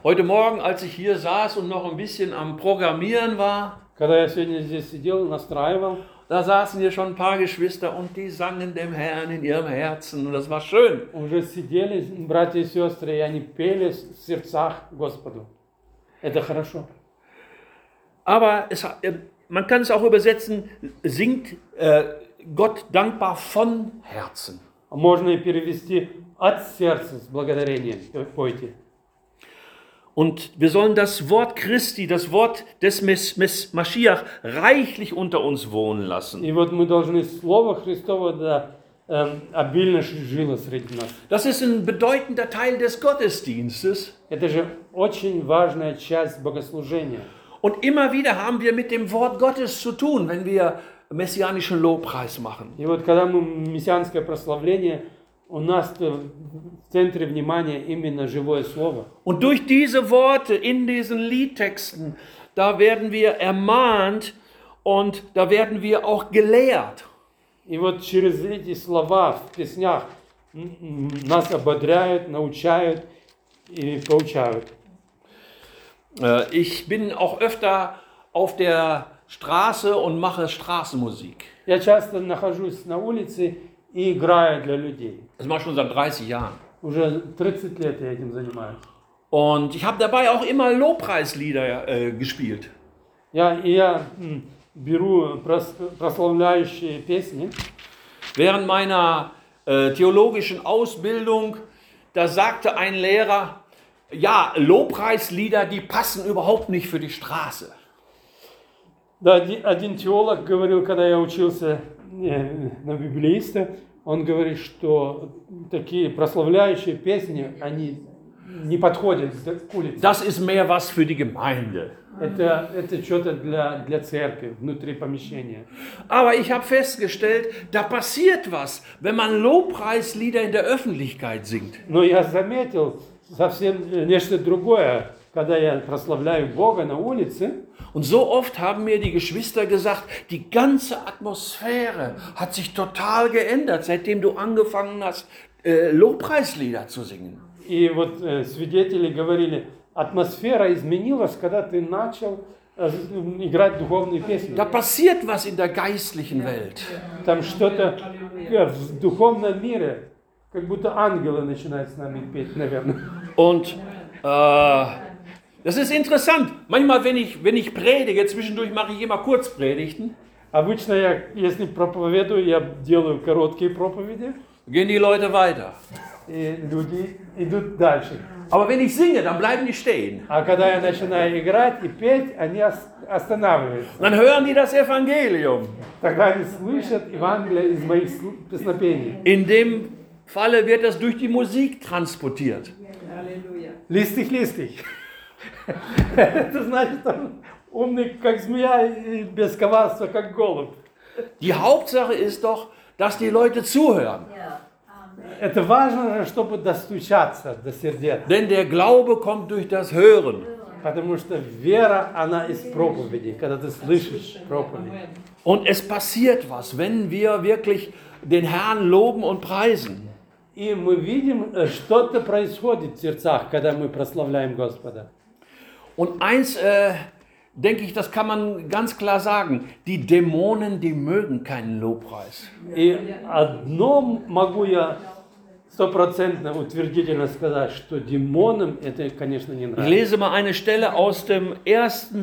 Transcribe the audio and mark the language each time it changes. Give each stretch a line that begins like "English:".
German: Heute Morgen, als ich hier saß und noch ein bisschen am Programmieren war,
Russian: когда я сегодня здесь сидел, настраивал,
German: da saßen hier schon ein paar Geschwister und die sangen dem Herrn in ihrem Herzen und das war schön.
Russian: Уже сидели братья и сестры, и они пели в сердцах Господу. Это хорошо.
German: Aber es, man kann es auch übersetzen, singt Gott dankbar von Herzen.
Russian: Можно и перевести от сердца с благодарением пойте.
German: Und wir sollen das Wort Christi, das Wort des Messias reichlich unter uns wohnen lassen.
Russian: И вот мы должны слово Христово да, обильно жило среди нас.
German: Das ist ein bedeutender Teil des Gottesdienstes.
Russian: Это же очень важная часть богослужения.
German: Und immer wieder haben wir mit dem Wort Gottes zu tun, wenn wir messianischen Lobpreis machen.
Russian: И вот когда мы мессианское прославление у нас в центре внимания именно живое слово.
German: Und durch diese Worte in diesen Liedtexten, da werden wir ermahnt und da werden wir auch gelehrt.
Russian: И вот через эти слова в песнях нас ободряют, научают и поучают.
German: Ich bin auch öfter auf der Straße und mache Straßenmusik.
Russian: Я часто нахожусь на улице и играю для людей.
German: Das mache ich schon seit 30 Jahren.
Russian: Уже 30 лет я этим занимаюсь.
German: Und ich habe dabei auch immer Lobpreislieder gespielt.
Russian: Ja, я беру прославляющие песни.
German: Während meiner theologischen Ausbildung, da sagte ein Lehrer, ja, Lobpreislieder, die passen überhaupt nicht für die Straße.
Russian: Да, один теолог говорил, когда я учился на библеиста, он говорит, что такие прославляющие песни, они не подходят к улице.
German: Das ist mehr was für die Gemeinde.
Russian: Это что-то для церкви, внутри помещения.
German: Aber ich habe festgestellt, da passiert was, wenn man Lobpreislieder in der Öffentlichkeit singt.
Russian: Но я заметил совсем нечто другое, когда я прославляю Бога на улице.
German: Und so oft haben mir die Geschwister gesagt, die ganze Atmosphäre hat sich total geändert, seitdem du angefangen hast, Lobpreislieder zu singen.
Russian: И вот свидетели говорили, атмосфера изменилась, когда ты начал играть духовные песни.
German: Da passiert was in der geistlichen Welt.
Russian: Там что-то в духовном мире, как будто ангелы начинают с нами петь, наверное.
German: Und das ist interessant. Manchmal, wenn ich predige, zwischendurch mache ich immer Kurzpredigten.
Russian: Обычно я, если проповедую, я делаю короткие проповеди.
German: Gehen die Leute weiter.
Russian: И люди идут дальше.
German: Aber wenn ich singe, dann bleiben die stehen.
Russian: А когда я начинаю играть и петь, они останавливаются.
German: Dann hören die das Evangelium.
Russian: Тогда они слышат Евангелие из моих песнопений.
German: In dem Falle wird das durch die Musik transportiert. Halleluja. Listig, listig.
Russian: Das значит, умный как змея и без коварства как голубь.
German: Die Hauptsache ist doch, dass die Leute zuhören.
Russian: Это важно, чтобы достучаться до сердец.
German: Denn der Glaube kommt durch das Hören.
Russian: Потому что вера, она из проповеди, когда ты слышишь проповедь.
German: Und es passiert was, wenn wir wirklich den Herrn loben und preisen.
Russian: И мы видим, что-то происходит в сердцах, когда мы прославляем Господа.
German: Und eins, denke ich, das kann man ganz klar sagen, die Dämonen, die mögen keinen Lobpreis.
Russian: И одно могу я стопроцентно утвердительно сказать, что демонам это, конечно, не нравится.
German: Ich lese mal eine Stelle aus dem 1.